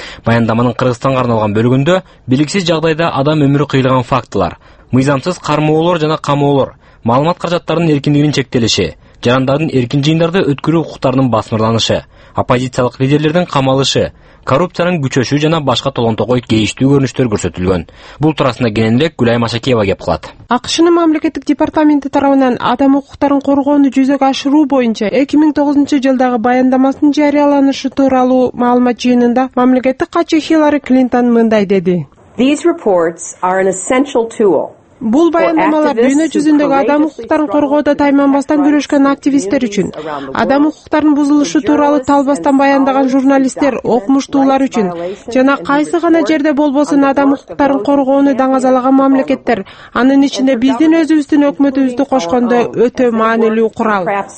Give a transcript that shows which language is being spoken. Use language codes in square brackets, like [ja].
[ky] Баяндаманын Кыргызстанга арналган бөлүгүндө биликсиз жагдайда адам өмүрү кыйылган фактылар, мыйзамсыз кармоолор жана камоолор, маалымат каражаттарынын эркиндигинин чектелиши, жарандардын эркин жыйындарды өткөрүү укуктарынын басмырланышы, оппозициялык лидерлердин камалышы, коррупциянын күчөшү жана башка толонтогой кейиштүү көрүнүштөр көрсөтүлгөн. Бул туурасында кененирээк Гүлайым Ашакеева кеп кылат. АКШнын мамлекеттик департаменти тарабынан адам укуктарын коргоону жүзөгө ашыруу боюнча 2009 жылдагы баяндамасынын жарыяланышы тууралуу маалымат жыйынында мамлекеттик катчы Хиллари Клинтон мындай деди. [en] These reports are an essential tool. [ky] Бул баяндамалар дүйнө жүзүндөгү адам укуктарын коргоодо таймамбастан күрөшкөн активисттер үчүн, адам укуктарынын бузулушу тууралуу талбастан баяндаган журналисттер, окумуштуулар үчүн жана кайсы гана жерде болбосун адам укуктарын коргоону даңазалаган мамлекеттер, анын ичинде биздин өзүбүздүн өкмөтүбүздү кошкондо өтө маанилүү курал.